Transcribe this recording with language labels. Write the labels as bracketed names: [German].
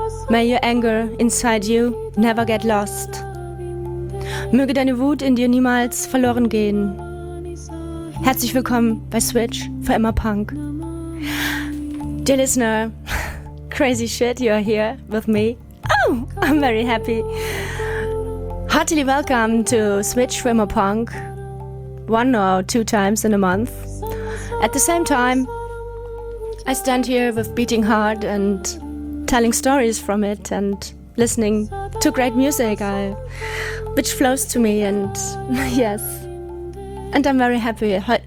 [English] May your anger inside you never get lost. [German] Möge deine Wut in dir niemals verloren gehen. Herzlich willkommen bei Switch for Emma Punk. [English] Dear listener, crazy shit, you are here with me. Oh, I'm very happy. Heartily welcome to Switch for Emma Punk. One or two times in a month. At the same time, I stand here with beating heart and telling stories from it and listening to great music which flows to me, and yes, and I'm very happy.